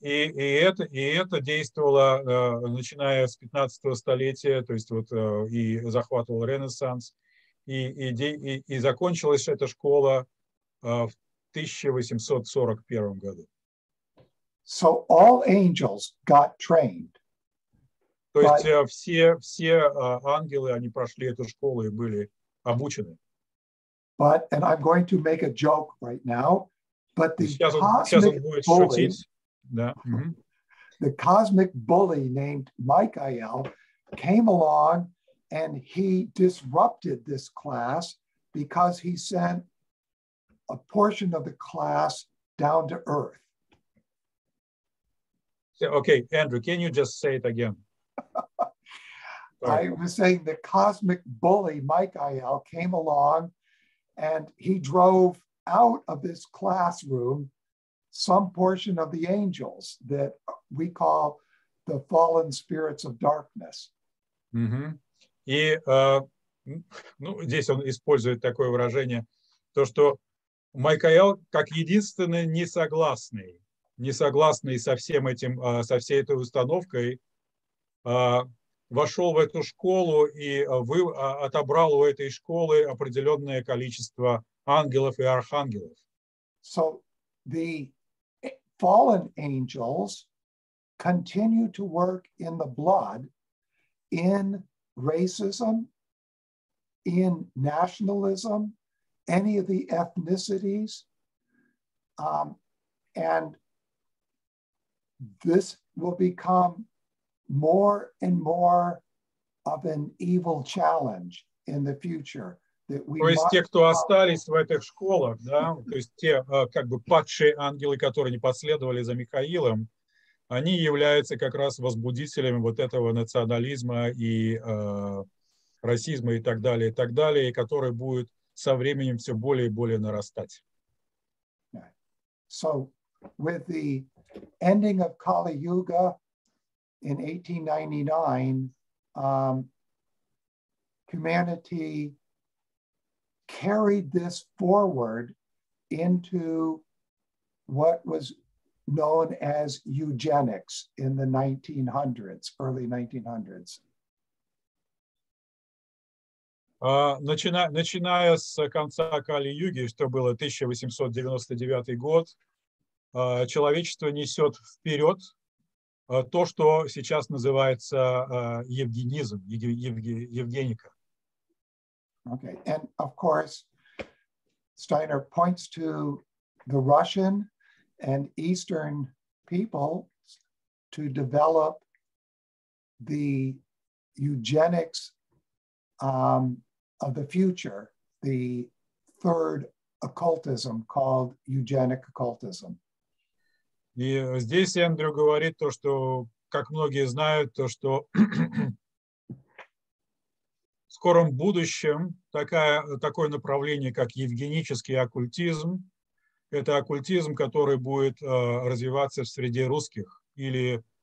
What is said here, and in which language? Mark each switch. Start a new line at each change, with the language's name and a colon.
Russian: И это действовало, начиная с 15-го столетия, то есть вот и захватывал Ренессанс, и закончилась эта школа в 1841 году.
English: So all angels got trained.
Russian: То есть все ангелы, они прошли эту школу и были обучены.
English: But, and I'm going to make a joke right now, but the the cosmic bully named Michael came along and he disrupted this class because he sent a portion of the class down to Earth. So, okay, Andrew, can you just say it again? I was saying the cosmic bully Michael came along and he drove out of this classroom some portion of the angels that we call the fallen spirits of darkness. Mm-hmm.
Russian: И, ну, здесь он использует такое выражение, то, что Майкаэл как единственный несогласный со всем этим, со всей этой установкой, вошел в эту школу и отобрал у этой школы определенное количество ангелов и архангелов.
English: So the fallen angels continue to work in the blood, in racism, in nationalism, any of the ethnicities. And this will become more and more of an evil challenge in the future.
Russian: То есть те, кто остались в этих школах, да, то есть те как бы падшие ангелы, которые не последовали за Михаилом, они являются как раз возбудителями вот этого национализма и расизма и так далее, который будет со временем все более и более нарастать.
English: So, with the ending of Kali Yuga in 1899, humanity carried this forward into what was known as eugenics in the 1900s, early 1900s.
Russian: Начиная с конца Кали-Юги, что было 1899 год, человечество несет вперед то, что сейчас называется евгенизм, евгеника.
English: Okay, and of course, Steiner points to the Russian and Eastern people to develop the eugenics of the future, the third occultism called eugenic occultism.
Russian: И здесь Эндрю говорит то, что, как многие знают, то, что в скором будущем такое направление, как евгенический оккультизм, это оккультизм, который будет развиваться в среде русских или